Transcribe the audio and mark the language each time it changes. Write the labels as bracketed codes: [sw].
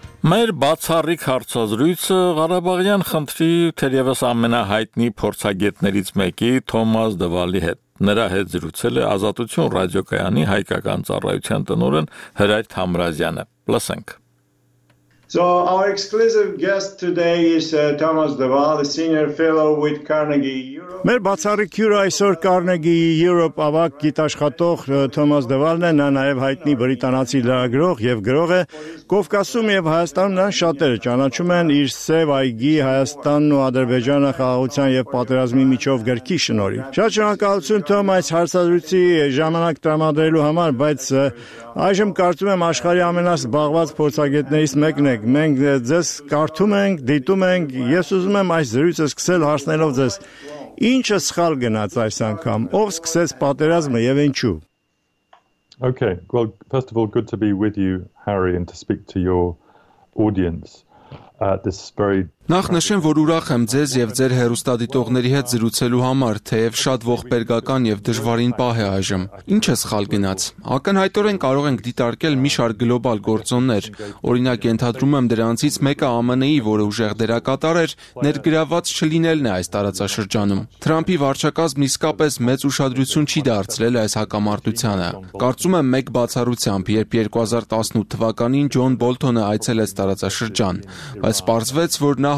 [hy] Մեր բացառիկ հարցազրույցը Ղարաբաղյան խնդրի թերևս ամենահայտնի փորձագետներից մեկի Թոմաս Դվալի հետ։ Նրա հետ զրուցել է Ազատություն ռադիոկայանի հայկական ծառայության տնօրեն Հրայր Թամրազյանը։ Լսենք։ [en] So our exclusive guest today is Thomas Duval, a senior fellow with Carnegie Europe. [hy] Մեր բացառիկ հյուրը այսօր Carnegie Europe ավագ գիտաշխատող Թոմաս Դվալն է, նա նաև հայտնի բրիտանացի լրագրող եւ գրող է։ Կովկասում եւ Հայաստանում նրան շատերը ճանաչում են իր Սև այգի Հայաստանն ու Ադրբեջանը խաղաղության եւ պատերազմի միջով գրքի շնորհիվ։ Շատ շնորհակալություն Թոմաս հարցազրույցի ժամանակ տրամադրելու համար, բայց այժմ կարծում եմ աշխարհի ամենազբաղված փորձագետներից մեկ Նեք, մենք ձեզ կարդում ենք, դիտում ենք, ես ուզում եմ այս զրույցը սկսել հարցնելով ձեզ, ինչը սխալ գնաց այս անգամ, ով սկսեց պատերազմը և ինչու։ [en] Okay, well, first of all, good to be with you, Harry, and to speak to your audience. [hy] Նախ նշեմ, որ ուրախ եմ ձեզ և ձեր հեռուստադիտողների հետ զրուցելու համար, թեև շատ ողբերգական և դժվարին պահ է այժմ։ Ինչ է սխալ գնաց։ Ակնհայտորեն կարող ենք դիտարկել մի շարք գլոբալ գործոններ, օրինակ ենթադրում եմ դրանցից մեկը ԱՄՆ-ի, որը ուժեղ դերակատար էր, ներգրավված չլինելն է այս տարածաշրջանում։ Թրամփի վարչակազմն իսկապես մեծ ուշադրություն չի դարձրել այս հակամարտությանը։ Կարծում եմ մեկ բացառությամբ, երբ 2018 թվականին Ջոն Բոլթոնը այցելեց տարածաշրջան, բայց պարզվեց, որ նա